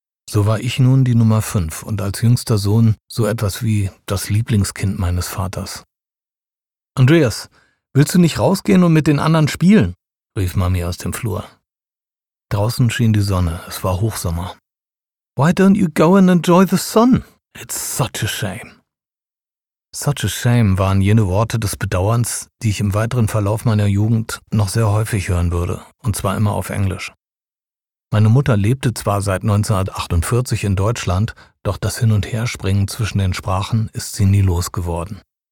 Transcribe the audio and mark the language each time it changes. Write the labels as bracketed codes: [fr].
[de] So war ich nun die Nummer 5 und als jüngster Sohn so etwas wie das Lieblingskind meines Vaters. Andreas, willst du nicht rausgehen und mit den anderen spielen? Rief Mami aus dem Flur. Draußen schien die Sonne, es war Hochsommer. [en] Why don't you go and enjoy the sun? It's such a shame. Such a shame [de] waren jene Worte des Bedauerns, die ich im weiteren Verlauf meiner Jugend noch sehr häufig hören würde, und zwar immer auf Englisch. Meine Mutter lebte zwar seit 1948 in Deutschland, doch das Hin- und Herspringen zwischen den Sprachen ist sie nie losgeworden.